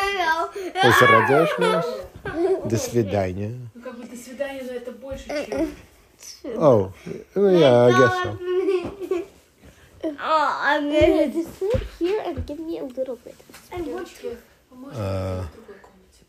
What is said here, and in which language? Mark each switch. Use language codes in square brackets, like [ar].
[ru] Как бы теперь его узнать? До свидания. Ну, как бы до свидания, но это больше, чем... [en] Oh, yeah, I guess so. Oh, I'm gonna just sit here and give me a little bit of spirit. [ru] Можете в другой комнате?